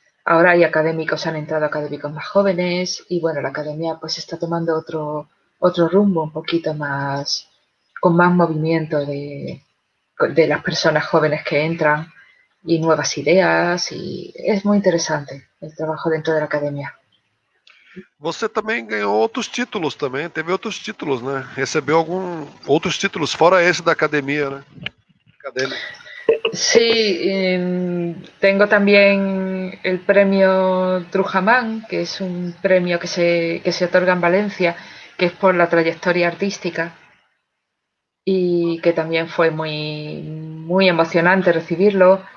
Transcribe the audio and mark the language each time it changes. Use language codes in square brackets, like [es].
[es] Ahora hay académicos, han entrado académicos más jóvenes y bueno, la academia pues está tomando otro rumbo, un poquito más, con más movimiento de las personas jóvenes que entran y nuevas ideas, y es muy interesante el trabajo dentro de la academia. [pt] Você também ganhou outros títulos também, teve outros títulos, né? Recebeu algum outros títulos fora esse da academia, né? Acadêmico. [es] Sí, tengo también el premio Trujamán, que es un premio que se otorga en Valencia, que es por la trayectoria artística, y que también fue muy, muy emocionante recibirlo.